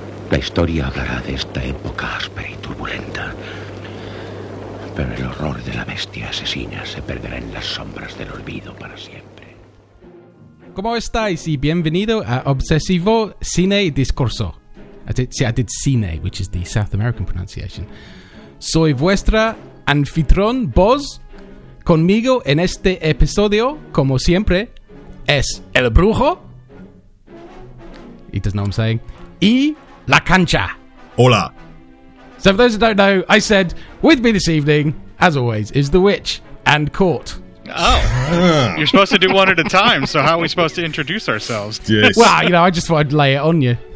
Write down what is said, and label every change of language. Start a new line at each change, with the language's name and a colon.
Spanish: La historia hablará de esta época áspera y turbulenta. Pero el horror de la bestia asesina se perderá en las sombras del olvido para siempre. ¿Cómo estáis? Y bienvenido a Obsesivo Cine Discurso.
English: I did cine, which is the South American pronunciation.
Spanish: Soy vuestra anfitrión, Boz. Conmigo en este episodio, como siempre, es el brujo.
English: He does know what I'm saying.
Spanish: Y la cancha. Hola.
English: So for those who don't know, I said, with me this evening, as always, is the witch and Court. Oh. You're supposed to do one at a time, so how are we supposed to introduce ourselves? Yes. Well, you know, I just thought I'd lay it on you.